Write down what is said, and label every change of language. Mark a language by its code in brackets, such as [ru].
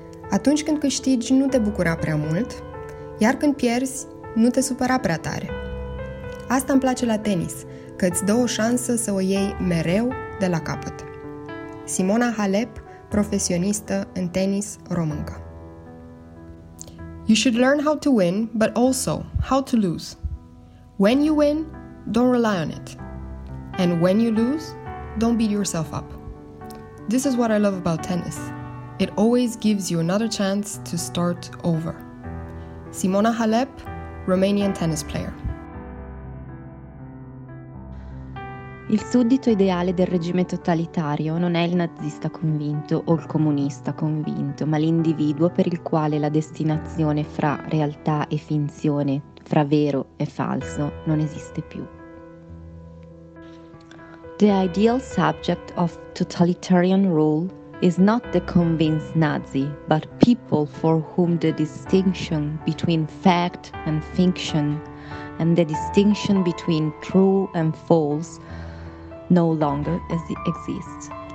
[ro] Atunci când câștigi, nu te bucura prea mult, iar când pierzi, nu te supăra prea tare. Asta îmi place la tenis, că îți dă o șansă să o iei mereu de la capăt. Simona Halep, profesionistă în tenis româncă. [en] You should learn how to win, but also how to lose. When you win, don't rely on it. And when you lose, don't beat yourself up. This is what I love about tennis. It always gives you another chance to start over. Simona Halep, Romanian tennis player. [it] Il suddito ideale del regime totalitario non è il nazista convinto o il comunista convinto, ma l'individuo per il quale la destinazione fra realtà e finzione, fra vero e falso, non esiste più. [en] The ideal subject of totalitarian rule is not the convinced Nazi, but people for whom the distinction between fact and fiction and the distinction between true and false no longer exists.